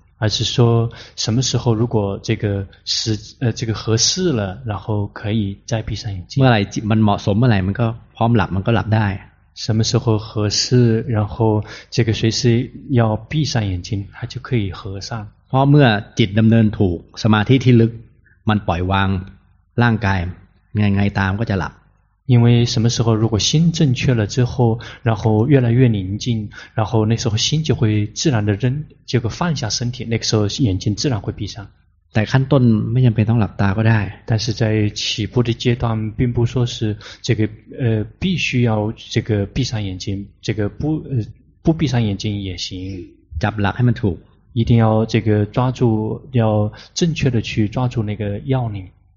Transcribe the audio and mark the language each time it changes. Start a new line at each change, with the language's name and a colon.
Chinese: 而是说什么时候如果这个时这个合适了然后可以再闭上眼睛
Thai: เมื่อไหร่มันเหมาะสมเมื่อไหร่มันก็พร้อมหลับมันก็หลับได้
Chinese: 什么时候合适然后这个随时要闭上眼睛它就可以合上
Thai: เพราะเมื่อจิตดำเนินถูกสมาธิที่ลึกมันปล่อยวางร่างกายไงๆตามก็จะหลับ
Chinese: 因为什么时候如果心正确了之后然后越来越宁静然后那时候心就会自然的扔这个放下身体那个时候眼睛自然会闭上
Thai: แต่ขั้นต้นไม่จำเป็นต้องหลับตาก็ได้
Chinese: 但是在起步的阶段并不说是这个必须要这个闭上眼睛这个不闭上眼睛也行
Thai: จับหลักให้มันถูก
Chinese: 一定要这个抓住要正确的去抓住那个要领